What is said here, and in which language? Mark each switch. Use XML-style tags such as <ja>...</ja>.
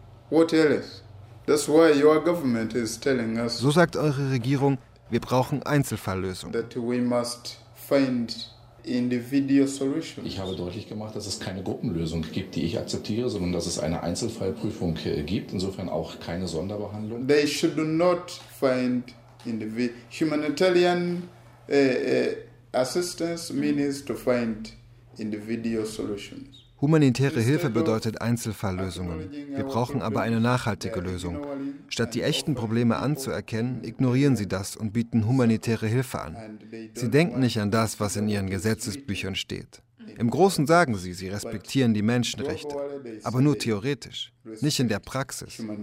<en>What else? That's why your government is telling us.</en> <de>So sagt eure Regierung, wir brauchen Einzelfalllösungen.</de> <en>That we must find individual solutions.</en> <de>Ich habe deutlich gemacht, dass es keine Gruppenlösung gibt, die ich akzeptiere, sondern dass es eine Einzelfallprüfung gibt, insofern auch keine Sonderbehandlung.</de> <en>They should not find humanitarian assistance means to find individual solutions.</en> <de>Humanitäre Hilfe bedeutet Einzelfalllösungen. Wir brauchen aber eine nachhaltige Lösung. Statt die echten Probleme anzuerkennen, ignorieren sie das und bieten humanitäre Hilfe an. Sie denken nicht an das, was in ihren Gesetzesbüchern steht. Im Großen sagen sie, sie respektieren die Menschenrechte, aber nur theoretisch, nicht in der Praxis.</de>